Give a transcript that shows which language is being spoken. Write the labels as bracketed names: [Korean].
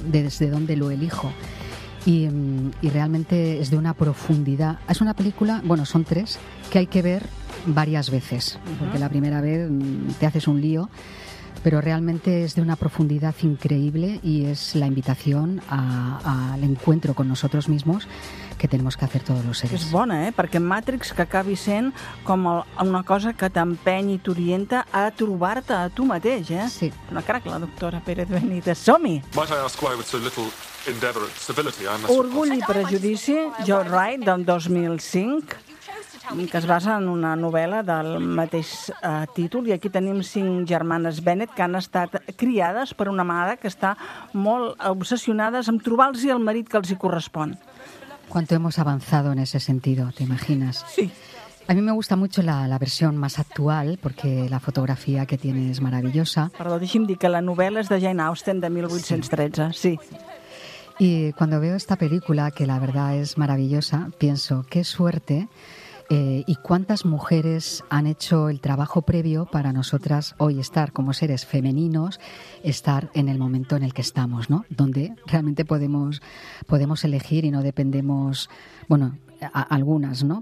[Spanish] ¿Desde dónde lo elijo? Y realmente es de una profundidad. Es una película, bueno, son tres, que hay que ver varias veces, porque la primera vez te haces un lío, pero realmente es de una profundidad increíble y es la invitación al encuentro con nosotros mismos que tenemos que hacer todos los seres. [Catalan] És bona, perquè Matrix que acabi sent com una cosa que t'empeny i t'orienta a trobar-te a tu mateix, Sí. Una cracla, doctora Pérez Benítez. Som-hi! [English] Might I ask why with so little endeavor at civility? [Catalan] Orgull i prejudici, Joe Wright, del 2005, que es basa en una novel·la del mateix títol. I aquí tenim cinc germanes Bennett que han estat criades per una mare que està molt obsessionada amb trobar-los el marit que els hi correspon. [Spanish] ¿Cuánto hemos avanzado en ese sentido, te imaginas? Sí. A mí me gusta mucho la versión más actual, porque la fotografía que tiene es maravillosa. [Catalan] Perdó, deixi'm dir que la novel·la és de Jane Austen, de 1813, sí. [Spanish] Y cuando veo esta película, que la verdad es maravillosa, pienso, qué suerte y cuántas mujeres han hecho el trabajo previo para nosotras hoy estar como seres femeninos, estar en el momento en el que estamos, ¿no? Donde realmente podemos elegir y no dependemos, bueno, algunas, ¿no?